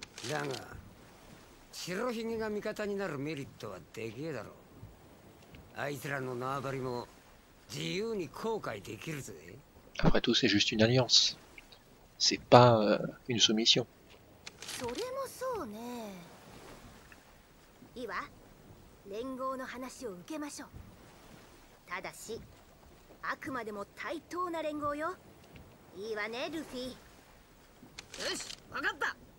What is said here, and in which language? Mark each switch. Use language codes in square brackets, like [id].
[ja] だが白ひげが味方になるメリットはでけえだろう。あいつらの縄張りも自由に後悔できるぜ。 [fr] Après tout, c'est juste une alliance. C'est pas une soumission. [ja] それもそうね。いいわ。連合の話を受けましょう。ただし、あくまでも対等な連合よ。いいわね、ルフィ。よし、わかった。